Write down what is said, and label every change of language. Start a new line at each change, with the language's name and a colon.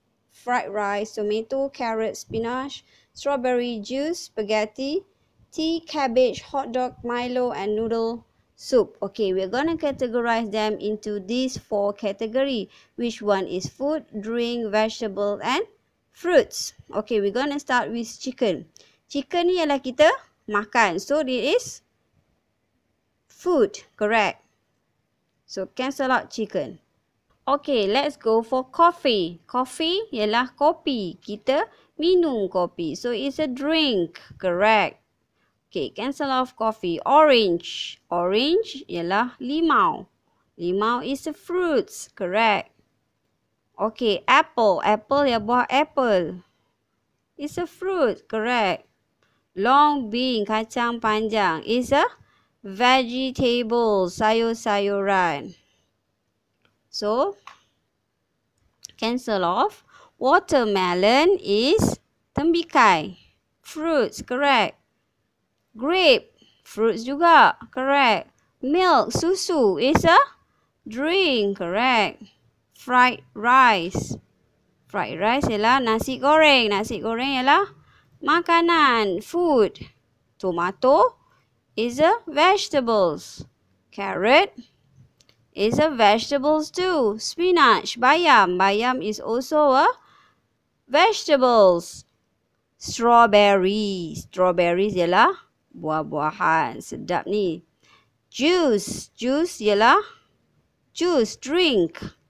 English: Fried rice, tomato, carrot, spinach, strawberry juice, spaghetti, tea, cabbage, hot dog, Milo, and noodle soup. Okay, we're going to categorize them into these four categories. Which one is food, drink, vegetable and fruits. Okay, we're going to start with chicken.
Malay: Chicken ni ialah kita makan.
English: So, it is food. Correct. So, cancel out chicken. Okay, let's go for coffee.
Malay: Coffee ialah kopi. Kita minum kopi.
English: So, it's a drink. Correct. Okay, cancel off coffee. Orange. Orange
Malay: ialah limau.
English: Limau is a fruit. Correct. Okay, apple. Apple ya buah apple. It's a fruit. Correct. Long bean, kacang panjang. It's a vegetable, sayur-sayuran. So, cancel off. Watermelon is tembikai. Fruits, correct. Grape, fruits juga, correct. Milk, susu is a drink, correct.
Malay: Fried rice ialah nasi goreng. Nasi goreng ialah makanan, food.
English: Tomato is a vegetables. Carrot is a vegetables too. Spinach, bayam. Bayam is also a vegetables. Strawberry.
Malay: Strawberries ialah buah-buahan. Sedap ni. Juice.
English: Juice ialah juice, drink.